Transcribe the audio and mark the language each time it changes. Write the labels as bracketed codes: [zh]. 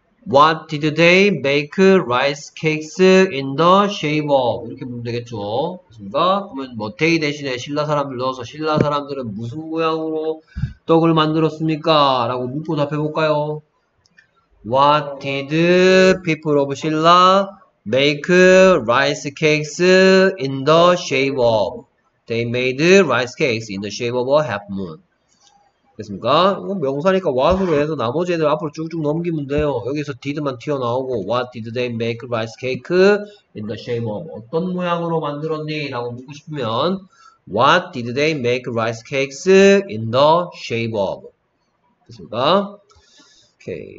[en] What did they make rice cakes in the shape of? [ko] 이렇게 보면 되겠죠. 맞습니까? 그러면 뭐 they 대신에 신라 사람을 넣어서 신라 사람들은 무슨 모양으로 떡을 만들었습니까? 라고 묻고 답해볼까요? [en] What did people of 신라 make rice cakes in the shape of? They made rice cakes in the shape of a half moon. [ko] 됐습니까? 명사니까 what으로 해서 나머지 애들 앞으로 쭉쭉 넘기면 돼요. 여기서 did만 튀어나오고 [en] what did they make rice cake in the shape of [ko] 어떤 모양으로 만들었니? 라고 묻고 싶으면 [en] what did they make rice cakes in the shape of [ko] 됐습니까? 오케이.